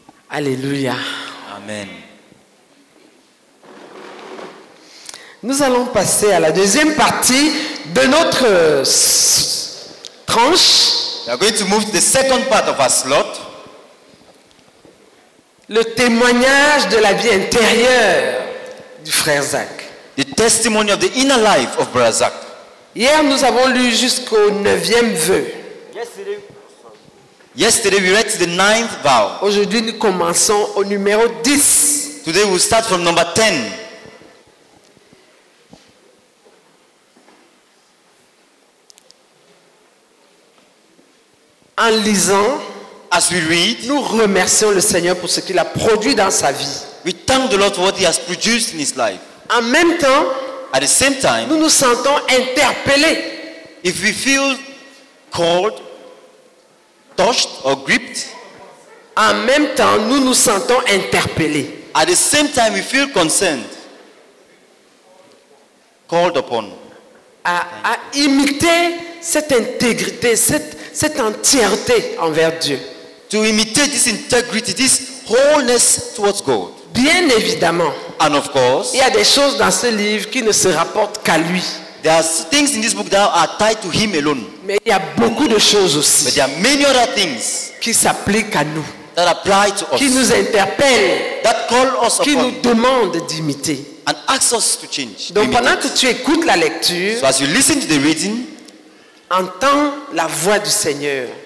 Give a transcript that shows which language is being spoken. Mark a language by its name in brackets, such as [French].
[French] Alléluia. Amen. Nous allons passer à la deuxième partie de notre tranche. [English] We are going to move to the second part of our slot. [French] Le témoignage de la vie intérieure du frère Zach. [English] The testimony of the inner life of Brother Zach. [French] Hier, nous avons lu jusqu'au neuvième vœu. [English] Yesterday we read the ninth vow. [French] Aujourd'hui nous commençons au numéro 10. [English] Today we start from number 10. [French] En lisant, [English] as we read, [French] nous remercions le Seigneur pour ce qu'il a produit dans sa vie. [English] We thank the Lord for what he has produced in his life. [French] En même temps, [English] at the same time, [French] nous nous sentons interpellés. [English] If we feel called, touched or gripped. [French] En même temps, nous nous sentons interpellés. [English] At the same time, we feel concerned, called upon, [French] à imiter cette intégrité, cette entièreté envers Dieu. [English] To imitate this integrity, this wholeness towards God. [French] Bien évidemment. [English] And of course, [French] il y a des choses dans ce livre qui ne se rapportent qu'à lui. [English] There are things in this book that are tied to him alone. [French] Mais il y a beaucoup de choses aussi. [English] But there are many other things [French] qui s'appliquent à nous. [English] That apply to us. [French] Qui nous interpellent. [English] That call us [French] qui [English] upon. [French] Nous demande d'imiter. [English] And ask us to change. [French] Donc pendant que tu écoutes la lecture, [English] so as you listen to the reading, [French] entends la voix du Seigneur.